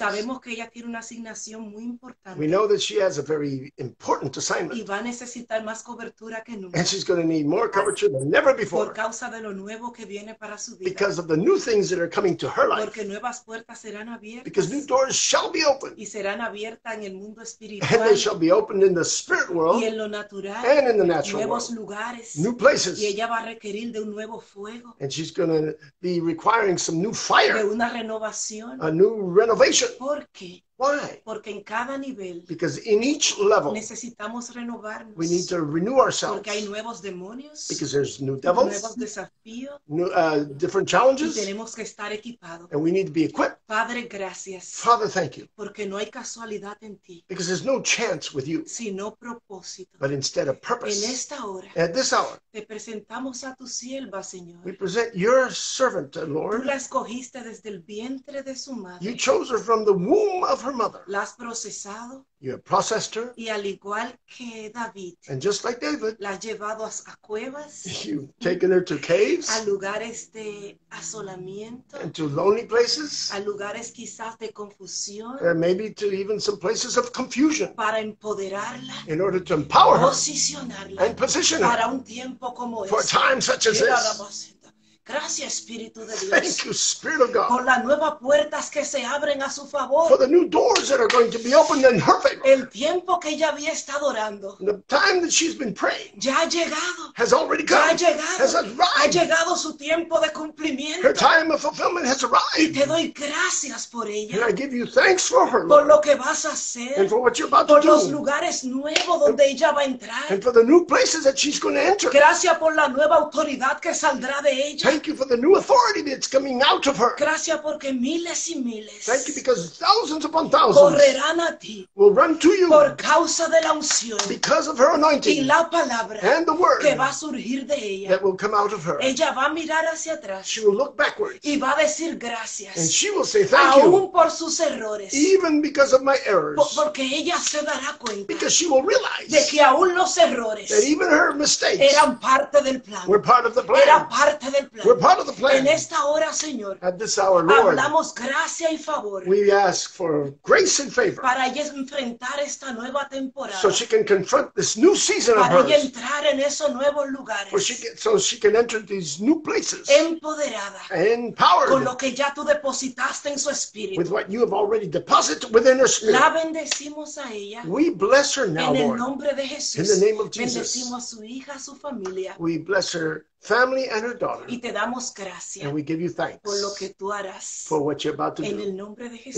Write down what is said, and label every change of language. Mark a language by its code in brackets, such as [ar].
[es] Sabemos que ella tiene una asignación muy importante. [en] We know that she has a very important assignment. [es] Y va a necesitar necesitar más cobertura que nunca. [en] And she's going to need more coverture than never before. [es] Por causa de lo nuevo que viene para su vida. [en] Because of the new things that are coming to her life. [es] Porque nuevas puertas serán abiertas. [en] Because new doors shall be opened. [es] Y serán abiertas en el mundo espiritual. [en] And they shall be opened in the spirit world. [es] Y en lo natural. [en] And in the natural [es] nuevos [en] world. [es] Lugares. [en] New places. [es] Y ella va a requerir de un nuevo fuego. [en] And she's going to be requiring some new fire. [es] De una renovación. [en] A new renovation. [es] ¿Por qué? [en] Why? [es] Porque en cada nivel, [en] because in each level, [es] necesitamos renovarnos. [en] We need to renew ourselves. [es] Porque hay nuevos demonios, [en] because there's new devils, [es] nuevos desafíos, [en] different challenges, [es] y tenemos que estar equipados. [en] And we need to be equipped. [es] Padre, gracias. [en] Father, thank you. [es] Porque no hay casualidad en ti, [en] because there's no chance with you, [es] sino propósito. [en] But instead of purpose. [es] En esta hora, [en] at this hour, [es] te presentamos a tu sierva, Señor. [en] We present your servant, Lord. [es] Tú la escogiste desde el vientre de su madre. [en] You chose her from the womb of her mother. [es] La has procesado. [en] You have processed her. [es] Y al igual que David, [en] and just like David, [es] la has llevado a cuevas, [en] you've taken her to caves, [es] a lugares de asolamiento, [en] and to lonely places, [es] a lugares quizás de confusión, [en] and maybe to even some places of confusion, [es] para empoderarla, [en] in order to empower her, [es] posicionarla, [en] and position her [es] para un tiempo como [en] for [es] este, [en] a time such as this. [es] Gracias, Espíritu de Dios. [en] Thank you, Spirit of God. [es] Por las nuevas puertas que se abren a su favor. [en] For the new doors that are going to be opened in her favor. [es] El tiempo que ella había estado orando. [en] The time that she's been praying. [es] Ya ha llegado. [en] Has already come. [es] Ya ha llegado. [en] Has arrived. [es] Ha llegado su tiempo de cumplimiento. [en] Her time of fulfillment has arrived. [es] Y te doy gracias por ella. [en] And I give you thanks for her, Lord. [es] Por lo que vas a hacer. [en] And for what you're about to do. [es] Por los lugares nuevos donde ella va a entrar. [en] And for the new places that she's going to enter. [es] Gracias por la nueva autoridad que saldrá de ella. [en] Thank you for the new authority that's coming out of her. [es] Gracias porque miles y miles. [en] Thank you because thousands upon thousands [es] correrán a ti [en] will run to you [es] por causa de la unción [en] because of her anointing [es] y la palabra [en] and the word [es] que va a surgir de ella [en] that will come out of her. [es] Ella va a mirar hacia atrás. [en] She will look backwards [es] y va a decir gracias. [en] And she will say thank [es] aún [en] you [es] aún por sus errores. [en] Even because of my errors. [es] Porque ella se dará cuenta [en] because she will realize [es] de que aún los errores [en] that even her mistakes [es] eran parte del plan. [en] Were part of the plan. [es] Era parte del plan. [en] We're part of the plan. [es] En esta hora, Señor, [en] at this hour, Lord, [es] hablamos gracia y favor. [en] We ask for grace and favor. [es] Para ella enfrentar esta nueva temporada. [en] So she can confront this new season [es] para [en] of hers. [es] Ella entrar en esos nuevos lugares. [en] For she can, so she can enter these new places. [es] Empoderada. [en] Empowered. [es] Con lo que ya tú depositaste en su espíritu. [en] With what you have already deposited within her spirit. [es] La bendecimos a ella. [en] We bless her now, [es] en el [en] Lord. [es] Nombre de Jesús. [en] In the name of Jesus. [es] Bendecimos a su hija, a su familia. [en] We bless her family and her daughter. [es] Y te damos gracias. [en] And we give you thanks. [es] Por lo que tú harás. [en] For what you're about to [es] en [en] do. [es] El nombre de Jesús.